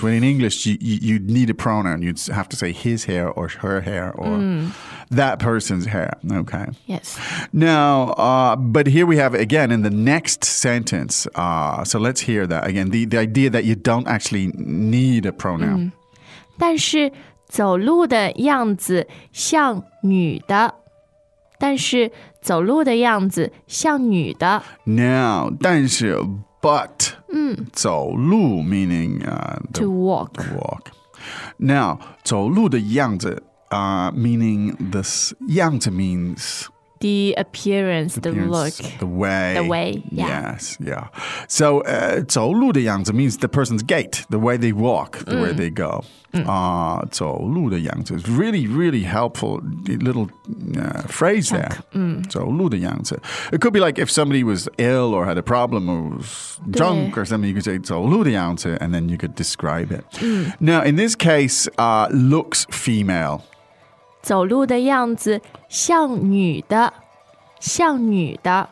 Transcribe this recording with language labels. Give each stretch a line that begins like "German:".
English: So when in English, you'd need a pronoun. You'd have to say his hair or her hair or that person's hair. Okay. Yes. Now, but here we have it again in the next sentence. So let's hear that again. The idea that you don't actually need a pronoun.
Chinese: 但是走路的样子像女的。但是走路的样子像女的。
English: Now,
Chinese: 但是
English: but,
Chinese: 走路
English: meaning to walk. Walk. Now,
Chinese: 走路的样子
English: meaning the
Chinese: 样子
English: means the appearance, the look, the way. The way, Yes, yeah. So,
Chinese: 走路的样子
English: means the person's gait, the way they walk, the way they go.
Chinese: 走路的样子
English: is really, really helpful little phrase there.
Chinese: 走路的样子.
English: It could be like if somebody was ill or had a problem or was drunk or something, you could say
Chinese: 走路的样子,
English: and then you could describe it. Now, in this case, looks female.
Chinese: 走路的样子像女的，像女的。